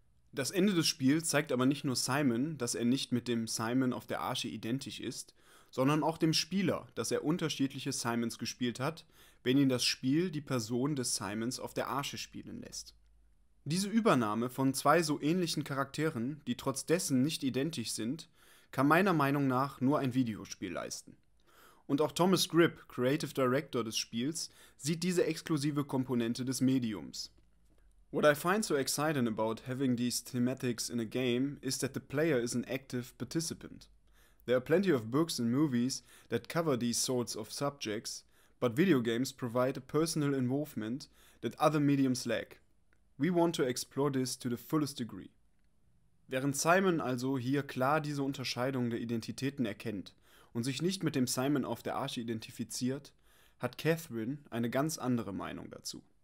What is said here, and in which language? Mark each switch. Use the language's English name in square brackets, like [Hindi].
[German] Das Ende des Spiels zeigt aber nicht nur Simon, dass er nicht mit dem Simon auf der Arche identisch ist, sondern auch dem Spieler, dass er unterschiedliche Simons gespielt hat, wenn ihn das Spiel die Person des Simons auf der Arche spielen lässt. Diese Übernahme von zwei so ähnlichen Charakteren, die trotz dessen nicht identisch sind, kann meiner Meinung nach nur ein Videospiel leisten. Und auch Thomas Gribb, Creative Director des Spiels, sieht diese exklusive Komponente des Mediums. [English] What I find so exciting about having these thematics in a game is that the player is an active participant. There are plenty of books and movies that cover these sorts of subjects, but video games provide a personal involvement that other mediums lack. We want to explore this to the fullest degree. [German] Während Simon also hier klar diese Unterscheidung der Identitäten erkennt und sich nicht mit dem Simon auf der Arche identifiziert, hat Catherine eine ganz andere Meinung dazu.